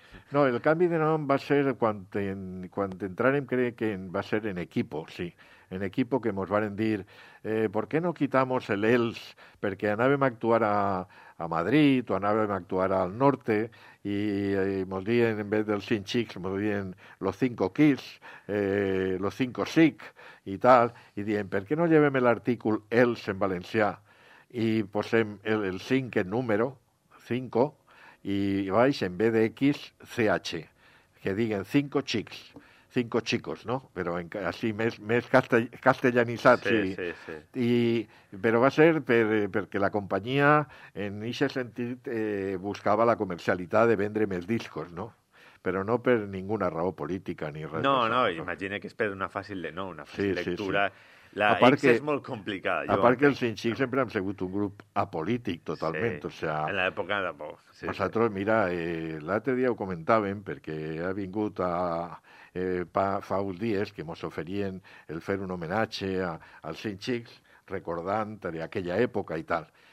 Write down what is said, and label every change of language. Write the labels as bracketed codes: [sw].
[ca] No, el canvi de nom va ser quan entrarem, crec que va ser en equipo, sí. [es] En equipo que [ca] mos varen dir, [es] ¿por qué no quitamos el ELS? [ca] Perquè anàvem a actuar a Madrid o anàvem a actuar al norte i mos diuen, en vez dels cinc xics, mos diuen [es] los cinco kids, los cinco sic [ca] i tal. I diuen, ¿per què no llevem l'artícul ELS en valencià i posem el cinc en número? [es] 5, y vais en vez de X, CH, que digan 5 chics, 5 chicos, ¿no? Pero en, así, más castellanizado. Sí, sí, sí. Y, pero va a ser porque la compañía, en ese sentido, buscaba la comercialidad de vendre más discos, ¿no? [ca] Però no per ninguna raó política ni res. No, imagina que és per una fàcil de nou, una fàcil lectura. Sí. La X que, és molt complicada. A part que els cinc xics sempre han sigut un grup apolític totalment. Sí. [es] O sea, [ca] en l'època de por. Sí, nosaltres, sí. Mira, l'altre dia ho comentàvem, perquè ha vingut fa uns dies que mos oferien el fer un homenatge als cinc xics, recordant aquella època i tal.